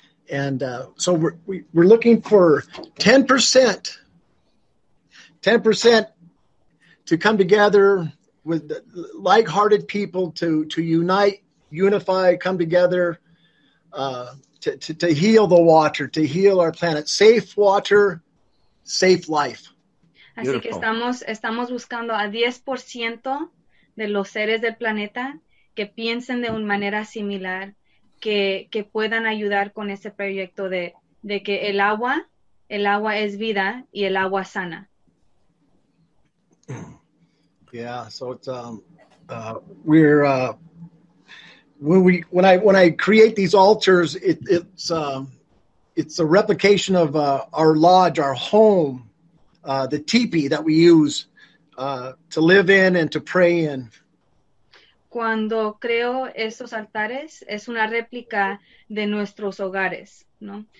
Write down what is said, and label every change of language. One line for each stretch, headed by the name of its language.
English: And so we're looking for 10% to come together with like-hearted people to unite, unify, come together to heal the water, to heal our planet. Safe water, safe life.
Spanish: Así que estamos buscando a 10% de los seres del planeta que piensen de una manera similar, que puedan ayudar con ese proyecto de que el agua es vida y el agua sana.
English: Yeah, so it's when I create these altars, it's a replication of our lodge, our home, the teepee that we use to live in and to pray in.
Spanish: Cuando creo estos altares, es una réplica de nuestros hogares, ¿no?